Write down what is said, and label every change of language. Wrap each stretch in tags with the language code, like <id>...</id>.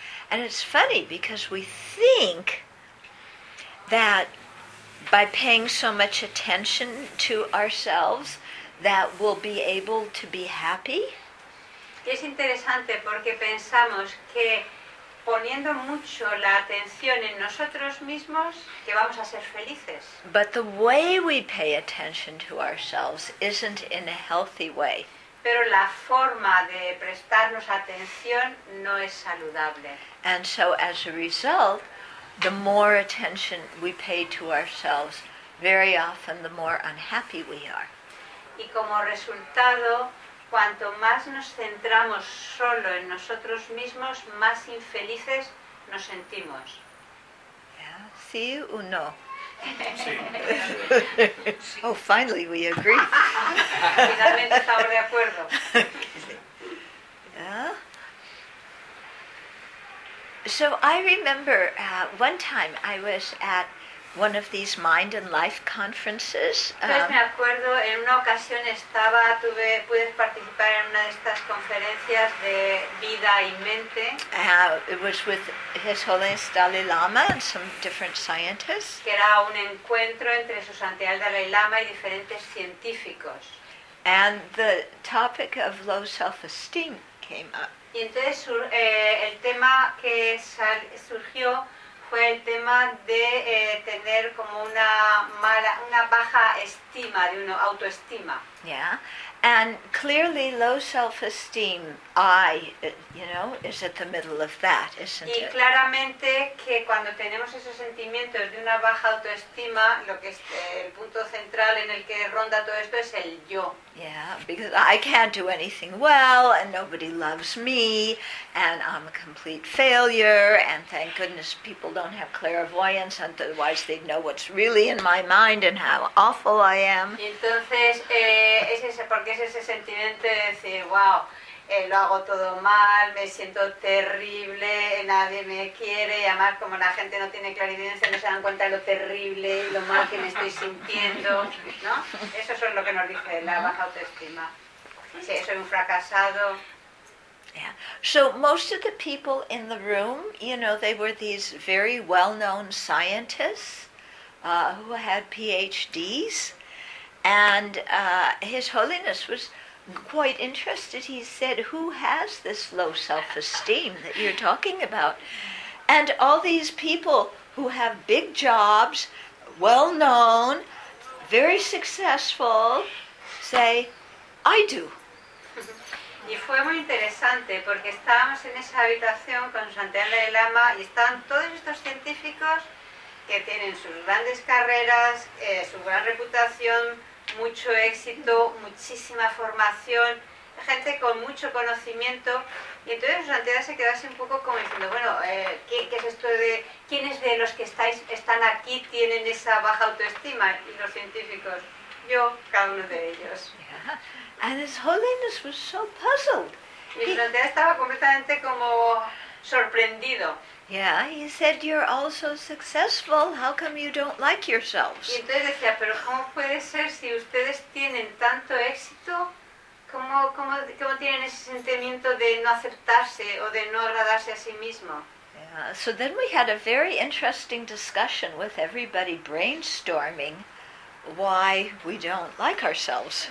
<en>And it's funny because we think that by paying so much attention to ourselves that we'll be able to be happy.</en> <es>Es interesante porque pensamos que poniendo mucho la atención en nosotros mismos, que vamos a ser felices.</es> <en>But the way we pay attention to ourselves isn't in a healthy way.</en> <es>Pero la forma de prestarnos atención no es saludable.</es> <en>And so as a result, the more attention we pay to ourselves, very often the more unhappy we are.</en> <es>Y como resultado, cuanto más nos centramos solo en nosotros mismos, más infelices nos sentimos. Yeah. ¿Sí o no? Sí.</es> <en>Oh, finally we agree.</en> <es>Finalmente estamos de acuerdo.</es> <en>Yeah. So I remember one time I was at one of these mind and life conferences.</en> <es>Pues me acuerdo, en una ocasión estaba, pude participar en una de estas conferencias de vida y mente.</es> <en>It was with His Holiness Dalai Lama and some different scientists.</en> <es>Que era un encuentro entre Su Santidad Dalai Lama y diferentes científicos.</es> <en>And the topic of low self-esteem came up.</en> <es>Y entonces el tema que surgió fue el tema de tener como una baja estima, de una autoestima.</es> <en>Yeah, and clearly low self-esteem, you know, is at the middle of that, isn't</en> <es>it? Y claramente que cuando tenemos esos sentimientos de una baja autoestima, lo que es el punto central en el que ronda todo esto es el yo.</es> <en>Yeah, because I can't do anything well, and nobody loves me, and I'm a complete failure, and thank goodness people don't have clairvoyance, otherwise they'd know what's really in my mind and how awful I am.</en> <es>Y entonces, porque es ese sentimiento de decir, wow, lo hago todo mal, me siento terrible, nadie me quiere, y además como la gente no tiene clarividencia, no se dan cuenta de lo terrible y lo mal que me estoy sintiendo, ¿no? Eso es lo que nos dice la baja autoestima. Sí, soy un fracasado.</es> <en>Yeah. So most of the people in the room, you know, they were these very well-known scientists who had PhDs. And His Holiness was quite interested. He said, who has this low self-esteem that you're talking about? And all these people who have big jobs, well-known, very successful, say, I do.</en> <es>Y fue muy interesante porque estábamos en esa habitación con Santiago Dalai Lama y estaban todos estos científicos que tienen sus grandes carreras, su gran reputación, mucho éxito, muchísima formación, gente con mucho conocimiento. Y entonces Santiago se quedó así un poco como diciendo, bueno, ¿qué es esto de quiénes de los que están aquí tienen esa baja autoestima? Y los científicos, yo, cada uno de ellos.</es> <en>Yeah. And His Holiness was so puzzled.</en> <es>Y Santiago estaba completamente como sorprendido.</es> <en>Yeah, he said, you're all so successful, how come you don't like yourselves?</en> <es>Y entonces decía, pero ¿cómo puede ser si ustedes tienen tanto éxito? ¿Cómo tienen ese sentimiento de no aceptarse o de no agradarse a sí mismo?</es> <en>Yeah, so then we had a very interesting discussion with everybody brainstorming why we don't like ourselves.</en>